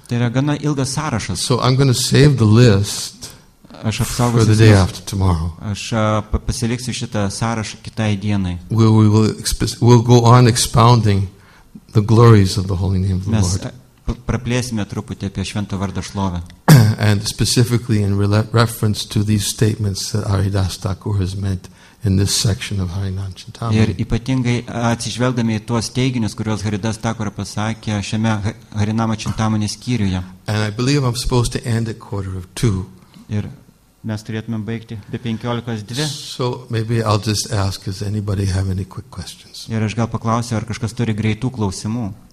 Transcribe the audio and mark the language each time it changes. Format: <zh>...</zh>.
<lt>Tai yra gana ilgas sąrašas.</lt> <en>So I'm going to save the list.</en> <lt>Aš</lt> <en>for the day after tomorrow.</en> <lt>Aš pasiliksiu šitą sąrašą kitai dienai.</lt> <en>We'll go on expounding the glories of the holy name of the</en> <lt>Mes</lt> <en>Lord.</en> <lt>Praplėsime truputį apie švento vardo šlovę.</lt> <en>And specifically in reference to these statements that Haridas Thakur has made in this section of Harinand Chintamani.</en> <lt>Ir ypatingai atsižvelgdami į tuos teiginius, kuriuos Haridas Thakur pasakė šiame Harinama Chintamani skyriuje.</lt> <en>And I believe I'm supposed to end at 1:45.</en> <lt>Ir mes turėtumėm baigti be 15:02.</lt> <en>So maybe I'll just ask, does anybody have any quick questions?</en> <lt>Ir aš gal paklausiu, ar kažkas turi greitų klausimų.</lt>